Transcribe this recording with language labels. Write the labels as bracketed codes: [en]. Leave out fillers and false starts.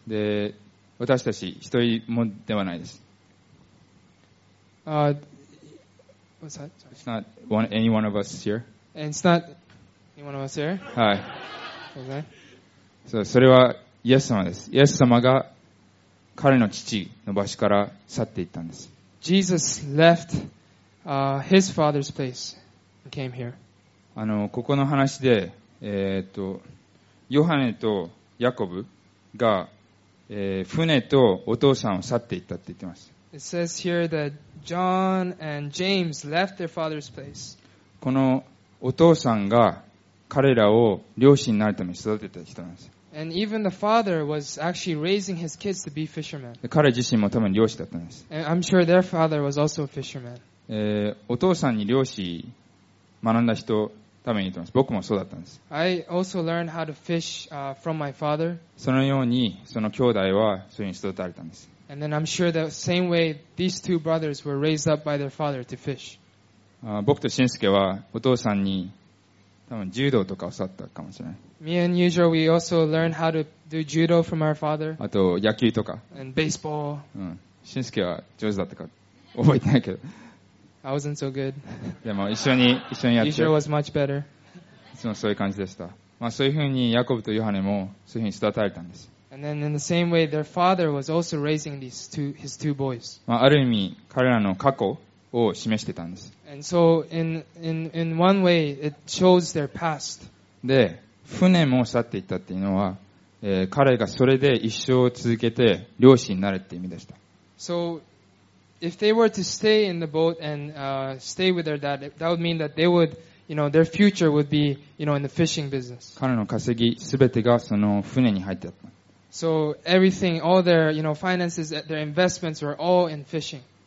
[ja] で、私たち一人もではないです。 [en] What's that? It's not any one of us here. And it's not any one of us here? [ja] はい。それはイエス様です。イエス様が彼の父の場所から去っていったんです。 [en] Jesus left his father's place and came here. [ja] あのここの話で、ヨハネとヤコブが、船とお父さんを去っていったって言ってます。 [en] It says here that John and James left their father's place. [ja] このお父さんが彼らを漁師になるために育てた人なんです。 [en] And even the father was actually raising his kids to be fishermen. [ja] 彼自身も多分漁師だったんです。 [en] And I'm sure their father was also a fisherman. [ja] お父さんに漁師学んだ人ために言ってます。僕もそうだったんです。 [en] I also learned how to fish, from my father. [ja] そのようにその兄弟はそれに育てられたんです。 [en] And then I'm sure the same way these two brothers were raised up by their father to fish. [ja] 僕と俊介はお父さんに多分柔道とか教わったかもしれない。 [en] Me and Yujo, we also learned how to do judo from our father. [ja] あと野球とか。 [en] And baseball. [ja] 俊介は上手だったか覚えてないけど。 [en] I wasn't so good. [ja] でも一緒にやって。 [en] Yujo was much better. [ja] いつもそういう感じでした。まあそういうふうにヤコブとヨハネもそういうふうに育てられたんです。 [en] And then in the same way, their father was also raising these two, his two boys. [ja] まあある意味彼らの過去を示してたんです。 [en] And so in one way, it shows their past. [ja] で、船も去っていったっていうのは、彼がそれで一生を続けて漁師になるっていう意味でした。 [en] So, if they were to stay in the boat and, stay with their dad, that would mean that they would, you know, their future would be, you know, in the fishing business. [ja] 彼の稼ぎ、すべてがその船に入ってた。 [en] So everything, all their, you know, finances, their investments were all in fishing.